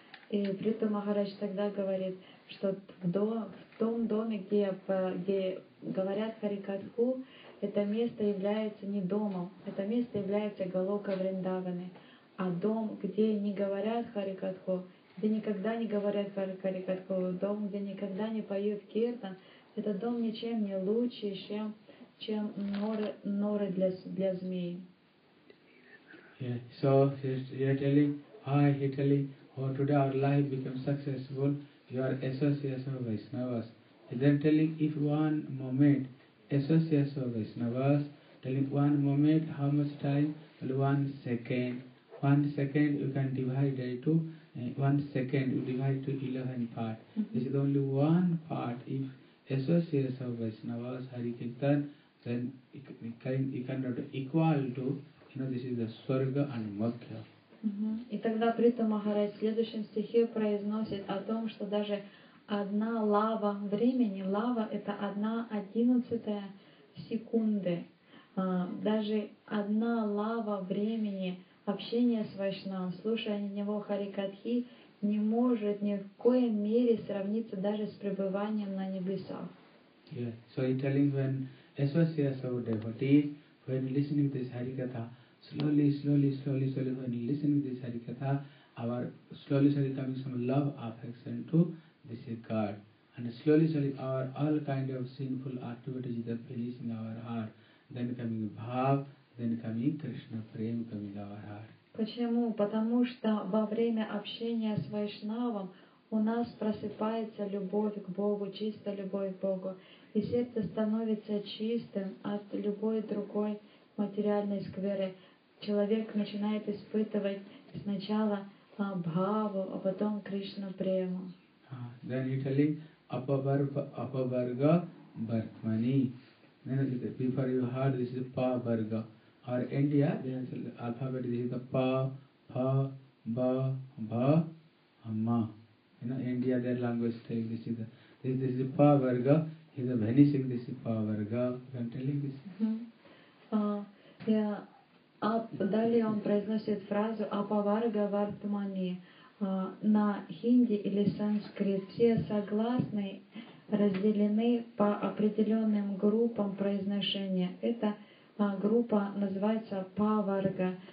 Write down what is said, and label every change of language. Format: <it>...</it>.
<ru>И Приту Махарадж тогда говорит, что в том доме, где говорят Харикатху, это место является не домом, это место является Галока Вриндаваны. А дом, где не говорят Харикатху, где никогда не говорят Харикатху, дом, где никогда не поют киртан, это дом ничем не лучше, чем норы для змей.</ru> <en>Yeah. So, you're telling, today our life becomes successful, your association of Vaishnavas. Then telling if one moment association of Vaishnavas, telling one moment how much time? Well, 1 second. 1 second you can divide it to 1 second you divide to 11 part. Mm-hmm. This is only one part. If association of Vaishnavas, Hari Kirtan, then you cannot equal to, you know, this is the Swarga and Mokya.</en> <ru>И тогда Прита Махарадж в следующем стихе произносит о том, что даже одна лава времени, лава — это 1/11 секунды. Даже одна лава времени общения с Вайшнавом, слушая от него Харикатхи, не может ни в коем мере сравниться даже с пребыванием на небесах.</ru> <en>Yeah. So he telling when especially as our devotees, when listening to this Harikatha, slowly, slowly, slowly, slowly, when listening to this Harikatha, our slowly, slowly coming some love affection to this God. And slowly, slowly, our all kind of sinful activities that finish in our heart. Then coming Bhav, then coming Krishna, Prema coming in our heart.</en> <ru>Почему? Потому что во время общения с Вайшнавом у нас просыпается любовь к Богу, чистая любовь к Богу. И сердце становится чистым от любой другой материальной скверы. Человек начинает испытывать сначала Бхаву, а потом Кришну Прему.</ru> <en>Then you tell him, Апабарга Бартмани. Before you heard, this is Пабарга. Or India, the alphabet is the Pa, Pa, Ba, Ba, Ma. You know, India, their language thing, this is the, this is the Pa Varga, he's a vanishing, this is Pa Varga. I'm telling this.</en> <ru>Далее он произносит фразу Апаварга Вартмани. На хинди или санскрит все согласные разделены по определенным группам произношения. Это группа называется Паварга.</ru>